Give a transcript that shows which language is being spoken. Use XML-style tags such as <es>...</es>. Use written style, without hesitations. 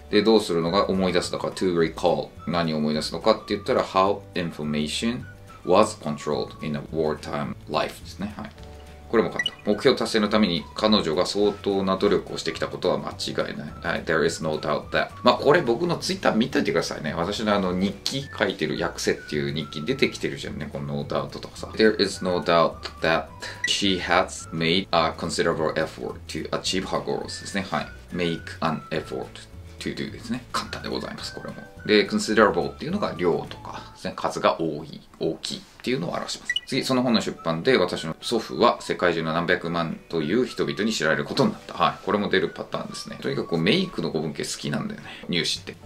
<ja>で、どうするのが思い出すのか、</ja> <en>to recall。</en> <ja>何を思い出すのかって言ったら、</ja> <en>how information was controlled in a wartime life</en> <ja>ですね。はい。これも買った。目標達成のために彼女が相当な努力をしてきたことは間違いない。はい、</ja> <en>there is no doubt that。</en> <ja>まあ、これ僕のツイッター見ててくださいね。私の日記書いてる訳せっていう日記出てきてるじゃんね。この</ja> <en>no doubt</en> <ja>とかさ。</ja> <en>there is no doubt that she has made a considerable effort to achieve her goals</en> <ja>ですね。はい。</ja> <en>make an effort to do</en> <ja>ですね。簡単でございます、これも。で、considerable っていうのが量とかですね。数が多い、大きい。っていうのを表します。次、その本の出版で私の祖父は世界中の何百万という人々に知られることになった。はい、これも出るパターンですね。とにかくメイクの語文系好きなんだよね、入試って。</ja>